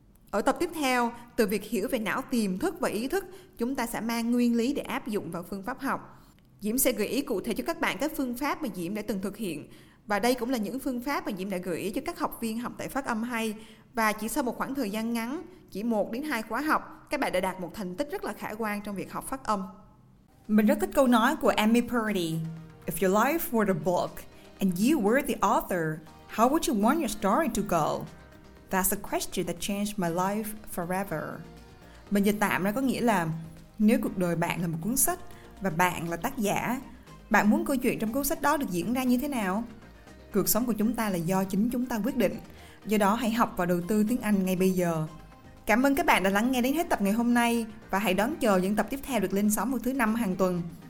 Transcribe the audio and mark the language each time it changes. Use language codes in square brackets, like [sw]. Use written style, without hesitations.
[vi] Ở tập tiếp theo, từ việc hiểu về não tiềm thức và ý thức, chúng ta sẽ mang nguyên lý để áp dụng vào phương pháp học. Diễm sẽ gợi ý cụ thể cho các bạn các phương pháp mà Diễm đã từng thực hiện. Và đây cũng là những phương pháp mà Diễm đã gợi ý cho các học viên học tại Phát Âm Hay. Và chỉ sau một khoảng thời gian ngắn, chỉ 1 đến 2 khóa học, các bạn đã đạt một thành tích rất là khả quan trong việc học phát âm. Mình rất thích câu nói của Amy Purdy: [en] "If your life were a book and you were the author, how would you want your story to go? That's a question that changed my life forever." [vi] Mình dịch tạm ra có nghĩa là: nếu cuộc đời bạn là một cuốn sách và bạn là tác giả, bạn muốn câu chuyện trong cuốn sách đó được diễn ra như thế nào? Cuộc sống của chúng ta là do chính chúng ta quyết định. Do đó hãy học và đầu tư tiếng Anh ngay bây giờ. Cảm ơn các bạn đã lắng nghe đến hết tập ngày hôm nay và hãy đón chờ những tập tiếp theo được lên sóng vào thứ năm hàng tuần.